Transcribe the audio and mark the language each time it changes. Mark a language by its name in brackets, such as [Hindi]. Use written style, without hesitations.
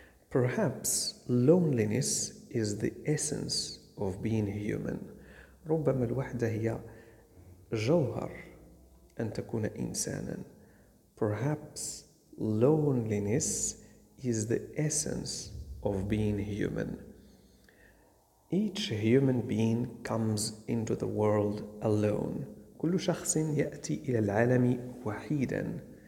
[English] Perhaps loneliness is the essence of being human. [Arabic] ربما الوحدة هي جوهر أن تكون إنسانا. [English] Perhaps loneliness is the essence of being human. Each human being comes into the world alone. [Arabic] كل شخص يأتي إلى العالم وحيدا.